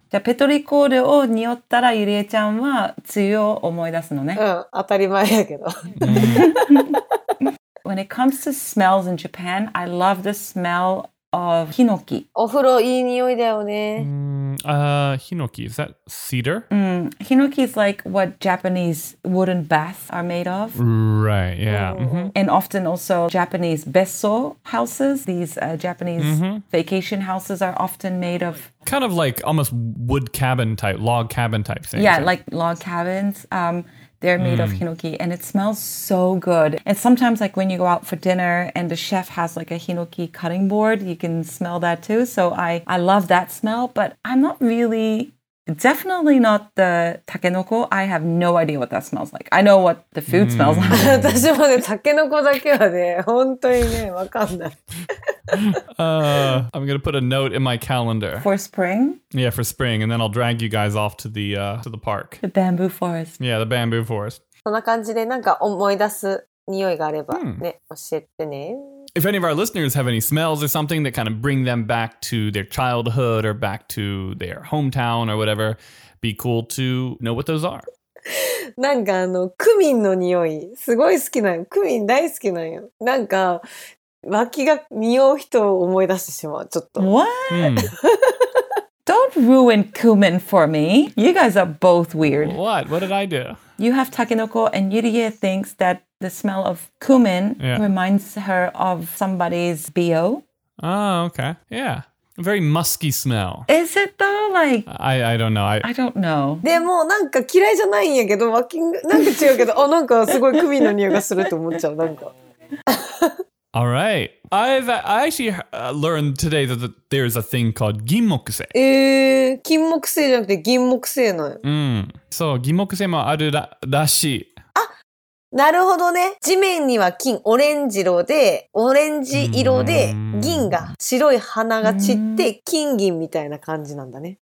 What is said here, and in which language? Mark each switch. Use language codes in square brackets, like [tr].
[ja] じゃあ、ペトリコールを匂ったら、ゆりえちゃんは梅雨を思い出すのね。うん、当たり前やけど。 [en] When it comes to smells in Japan, I love the smell of hinoki. [ja] お風呂いい匂いだよね。 [en] Hinoki, is that cedar? Hinoki is like what Japanese wooden baths are made of. Right, yeah. And often also Japanese besso houses, these Japanese vacation houses are often made of... Kind of like almost wood cabin type, log cabin type things. Yeah, like log cabins. They're made of hinoki and it smells so good. And sometimes like when you go out for dinner and the chef has like a hinoki cutting board, you can smell that too. So I love that smell, but I'm not really, definitely not the takenoko. I have no idea what that smells like. I know what the food smells like. [ja] 私もね、takenoko だけはね、本当にね、わかんない。 [en] I'm going to put a note in my calendar. For spring? Yeah, for spring. And then I'll drag you guys off to the park. The bamboo forest. Yeah, the bamboo forest. [ja] そんな感じでなんか思い出す匂いがあればね、教えてね。 [en] If any of our listeners have any smells or something that kind of bring them back to their childhood or back to their hometown or whatever, be cool to know what those are. [ja] なんかあの、クミンの匂い、すごい好きなの。クミン大好きなの。なんか、脇が匂う人を思い出してしまう、ちょっと。 [en] What? Don't ruin cumin for me. You guys are both weird. What? What did I do? You have takenoko and Yurie thinks that the smell of cumin reminds her of somebody's BO. Oh, okay. Yeah. A very musky smell. Is it though? Like... I don't know. I don't know. [ja] でもなんか嫌いじゃないんやけど、脇なんか違うけど、あ、なんかすごいクミンの匂いがすると思っちゃう。なんか。 [en] All right. I actually learned today that there's a thing called 銀木星。 [ja] 金木星じゃなくて銀木星の。そう、銀木星もあるらしい。あ、なるほどね。地面には金、オレンジ色で、オレンジ色で、銀が、白い花が散って、金銀みたいな感じなんだね。